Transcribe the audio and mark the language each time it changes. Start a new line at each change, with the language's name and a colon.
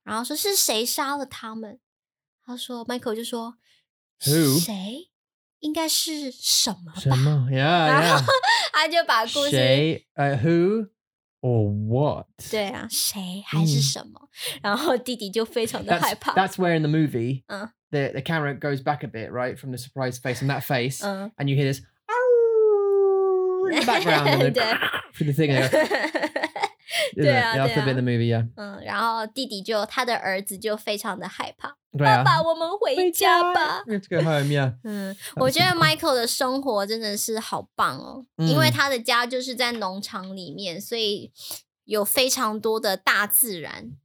Chinese: 然后说是谁杀了他们？” 他说 ，Michael 就说，
English: Who?
Chinese: 谁应该是什么吧？什么 ？
English: Yeah, yeah.
Chinese: 然后他就把故事谁？
English: Who or what?
Chinese: 对啊，谁还是什么？然后弟弟就非常的害怕。
English: That's where in the movie, the camera goes back a bit, right, from the surprise face and that face, and you hear this, in the background, and then, for the thing, yeah.
Chinese: 对啊，对啊。
English: That's a bit in the movie, yeah.
Chinese: 然后弟弟就，他的儿子就非常的害怕。对啊。爸爸，我们回家吧。
English: Let's go home, yeah.
Chinese: 我觉得 Michael 的生活真的是好棒哦，因为他的家就是在农场里面，所以有非常多的大自然。